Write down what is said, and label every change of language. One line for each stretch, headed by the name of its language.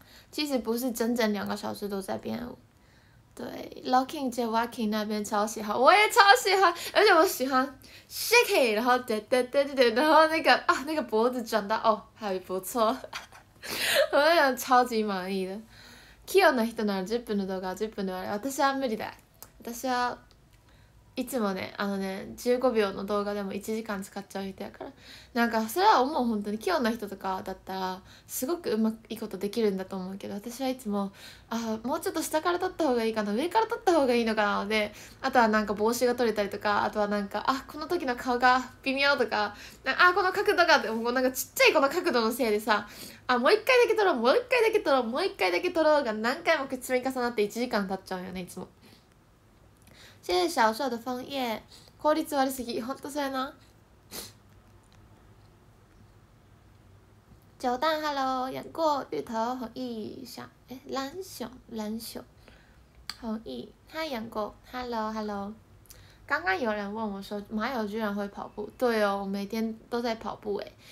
Chinese: 其实不是整整两个小时都在编舞。对 ，locking 接 walking 那边超喜欢，我也超喜欢，而且我喜欢 shake， 然后对对对对对，然后那个啊，那个脖子转到哦，还不错，我那样超级满意的。
Japanese: 器用的人なら10分の動画10分で終わり、私は無理だ。私はいつもね、15秒の動画でも1時間使っちゃう人やから、なんかそれは思う本当に器用な人とかだったらすごくうまいことできるんだと思うけど、私はいつもあもうちょっと下から撮った方がいいかな、上から撮った方がいいのかなので、あとはなんか帽子が取れたりとか、あとはなんかあこの時の顔が微妙とか、あこの角度がもうなんかちっちゃいこの角度のせいでさ、あもう一回だけ撮ろう、もう一回だけ撮ろう、もう一回だけ撮ろうが何回も積み重なって1時間経っちゃうよねいつも。
Chinese: 谢谢小兽的枫叶，
Japanese: 効率悪すぎ、本当それな。
Chinese: 九蛋 ，Hello， 演过芋头、红毅、小哎蓝熊、蓝熊、红毅，他演过 ，Hello，Hello。刚刚有人问我说，马友居然会跑步？对哦，我每天都在跑步哎。